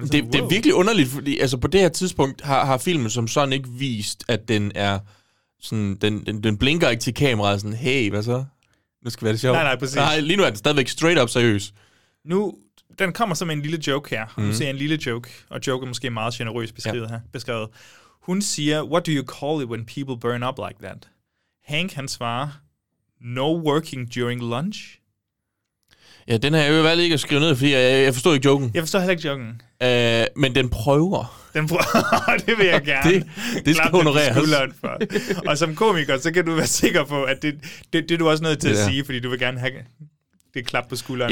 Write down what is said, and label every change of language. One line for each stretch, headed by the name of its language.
Danish: Det er virkelig underligt, fordi altså, på det her tidspunkt har filmen som sådan ikke vist, at den er sådan, den blinker ikke til kameraet, sådan, hey, hvad så? Nu skal være det sjovt. Nej, præcis. Nej, lige nu er den stadigvæk straight up seriøs. Nu, den kommer som en lille joke her. Nu ser jeg en lille joke, og joke er måske meget generøst beskrevet her. Beskrevet. Hun siger,
English: what do you call it when people burn up like that? Hank,
Danish: han svarer,
English: no working during lunch.
Danish: Ja, den har jeg jo valgt ikke at skrive ned, fordi jeg forstår ikke joken. Jeg forstår heller ikke joken. Men den prøver. Det vil jeg gerne. Det skal honoreres. Og som komiker, så kan du være sikker på, at det er du også nødt til at sige, fordi du vil gerne have det klap på skulderen.